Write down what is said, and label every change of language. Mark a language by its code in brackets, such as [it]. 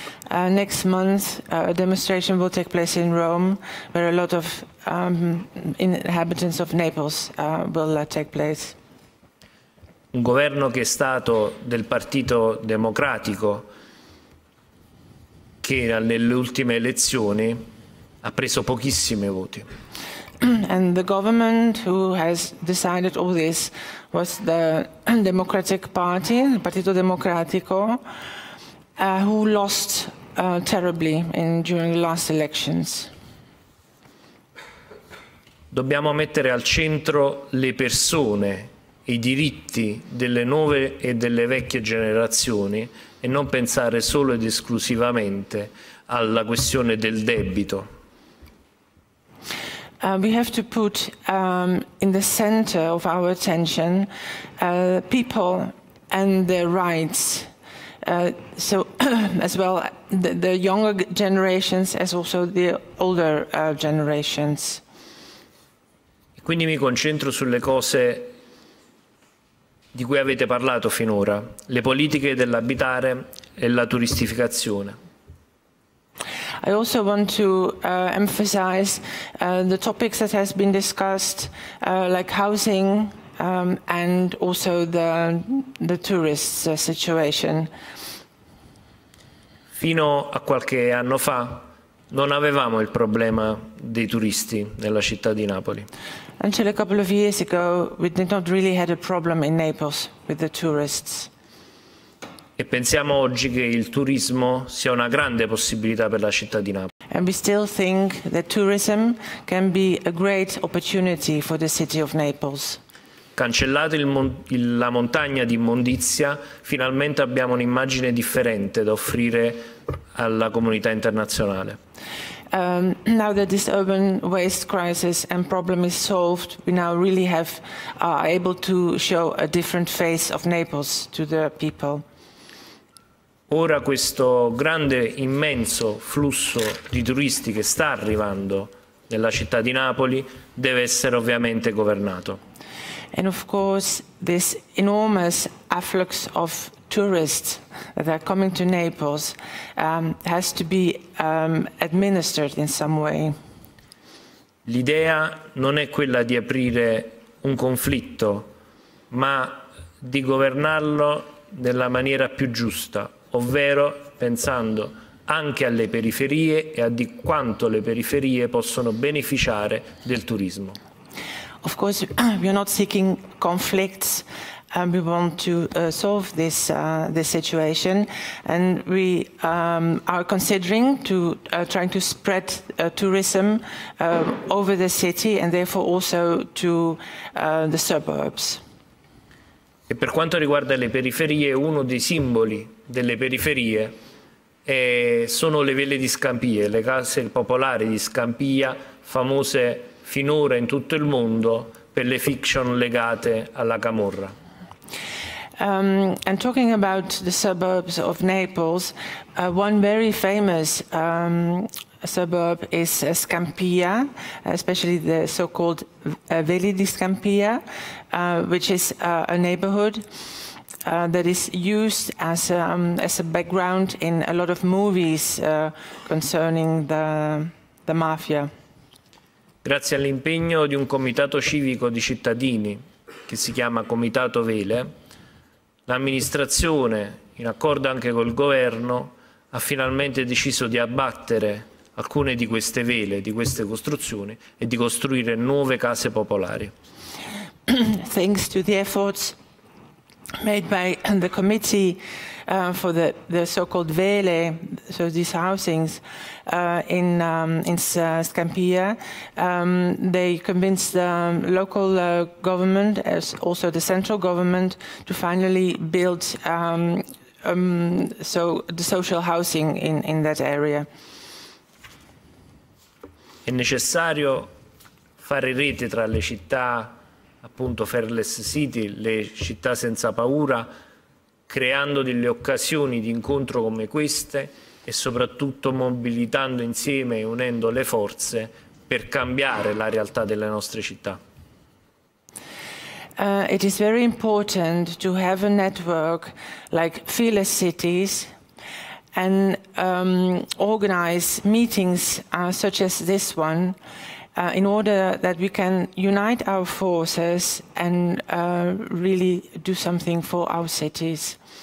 [en] Next month, a demonstration will take place in Rome, where a lot of inhabitants of Naples will take place. [it] Un governo che è stato del Partito Democratico, che nelle ultime elezioni ha preso pochissime voti. [en] And the government who has decided all this was the Democratic Party, [it] il Partito Democratico, [en] who lost terribly during the last elections. [it] Dobbiamo mettere al centro le persone, i diritti delle nuove e delle vecchie generazioni e non pensare solo ed esclusivamente alla questione del debito. [en] We have to put in the center of our attention people and their rights. So as well the younger generations as also the older generations. [it] Quindi mi concentro sulle cose di cui avete parlato finora, le politiche dell'abitare e la turistificazione. [en] I also want to emphasize the topics that has been discussed, like housing and also the tourists situation. [it] Fino a qualche anno fa non avevamo il problema dei turisti nella città di Napoli. [en] Until a couple of years ago, we did not really have a problem in Naples with the tourists. [it] E pensiamo oggi che il turismo sia una grande possibilità per la città di Napoli. [en] And we still think that tourism can be a great opportunity for the city of Naples. [it] Cancellato la montagna di immondizia, finalmente abbiamo un'immagine differente da offrire alla comunità internazionale. [en] Now that this urban waste crisis and problem is solved, we now really have able to show a different face of Naples to the people. [it] Ora questo grande, immenso flusso di turisti che sta arrivando nella città di Napoli deve essere ovviamente governato. [en] And of course this enormous afflux of tourists that are coming to Naples has to be administered in some way. [it] L'idea non è quella di aprire un conflitto, ma di governarlo nella maniera più giusta, ovvero pensando anche alle periferie e a di quanto le periferie possono beneficiare del turismo. [en] Of course, we are not seeking conflicts. We want to solve this this situation, and we are considering to trying to spread tourism over the city and therefore also to the suburbs. [it] E per quanto riguarda le periferie, uno dei simboli delle periferie sono le ville di Scampia, le case popolari di Scampia, famose finora in tutto il mondo per le fiction legate alla camorra. [en] And talking about the suburbs of Naples, one very famous suburb is Scampia, especially the so-called Veli di Scampia, which is a neighborhood that is used as a background in a lot of movies concerning the mafia. [it] Grazie all'impegno di un comitato civico di cittadini, che si chiama Comitato Vele, l'amministrazione, in accordo anche col governo, ha finalmente deciso di abbattere alcune di queste vele, di queste costruzioni, e di costruire nuove case popolari. [en] Thanks to the efforts made by the committee for the so-called vele, so these housings in Scampia, they convinced the local government, as also the central government, to finally build so the social housing in that area. [it] È necessario fare rete tra le città, appunto fearless city, le città senza paura, creando delle occasioni di incontro come queste e soprattutto mobilitando insieme e unendo le forze per cambiare la realtà delle nostre città. [en] It is very important to have a network like fearless cities and organize meetings such as this one in order that we can unite our forces and really do something for our cities.